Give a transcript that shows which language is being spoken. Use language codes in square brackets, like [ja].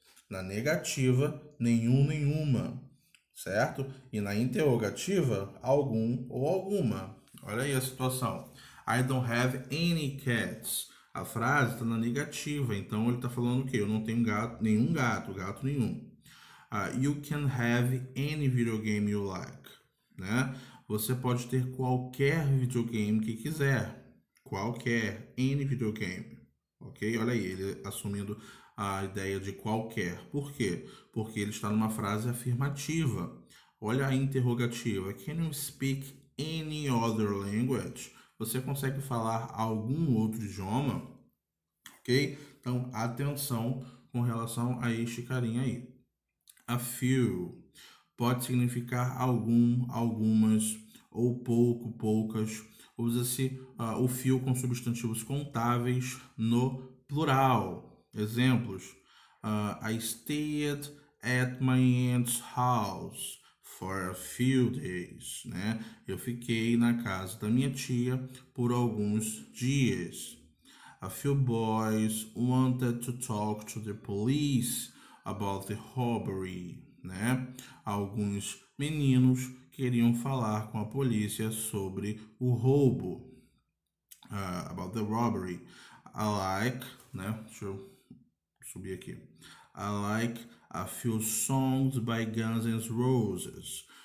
[pt] Na negativa, nenhum, nenhuma, certo? E na interrogativa, algum ou alguma. Olha aí a situação. [en] I don't have any cats. [pt] A frase está na negativa, então ele está falando o quê? Eu não tenho gato, nenhum gato, gato nenhum. [en] You can have any video game you like, né? [pt] Você pode ter qualquer videogame que quiser. Qualquer, any videogame. Ok? Olha aí, ele assumindo a ideia de qualquer. Por quê? Porque ele está numa frase afirmativa. Olha a interrogativa. [en] Can you speak any other language? [pt] Você consegue falar algum outro idioma? Ok? Então, atenção com relação a este carinha aí. A few pode significar algum, algumas ou pouco, poucas. Usa-se o few com substantivos contáveis no plural. [en] Exemplos: I stayed at my aunt's house for a few days, né? [pt] Eu fiquei na casa da minha tia por alguns dias. [en] A few boys wanted to talk to the police about the robbery, né? [pt] Alguns meninos queriam falar com a polícia sobre o roubo. [en] About the robbery. I like, né? [pt] Deixa eu subir aqui. [en] I like a few songs by Guns N' Roses.